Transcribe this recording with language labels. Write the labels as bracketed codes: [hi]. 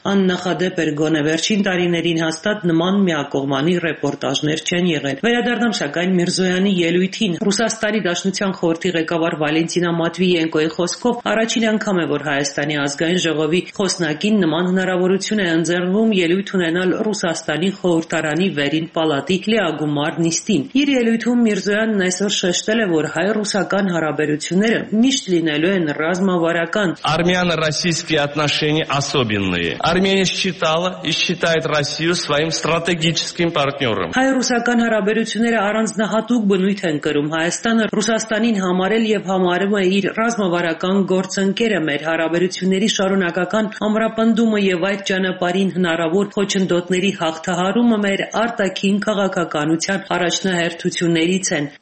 [hy] աննախադեպ էր գոնե վերջին տարիներին հաստատ նման միակողմանի ռեպորտաժներ չեն եղել։ Վերադառնամ սակայն Միրզոյանի ելույթին։ Ռուսաստանի Դաշնության խորհրդի ղեկավար Վալենտինա Մատվիենկոյի խոսքով առաջին անգամ է, որ Հայաստանի ազգային ժողովի խոսնակին նման հնարավորություն է ընձեռվում ելույթ ունենալ Ռուսաստանի խորհրդարանի վերին պալատի Լիագումար Նիստին։ Իր ելույթում Միրզոյանն այսօր շեշտել է, որ հայ-ռուսական հարաբերությունները միշտ լինելու են ռազմավարական։ [ru] Армяно-российские отношения особенные. Армения считала и считает Россию своим стратегическим партнёром. [hy] Հայ-ռուսական հարաբերությունները առանձնահատուկ բնույթ են կրում Հայաստանը Ռուսաստանին համարել եւ համարում է իր ռազմավարական գործընկերը, մեր հարաբերությունների շարունակական ամրապնդումը եւ այդ ճանապարհին հնարավոր խոչընդոտների հաղթահարումը մեր արտաքին քաղաքականության առաջնահերթություններից են։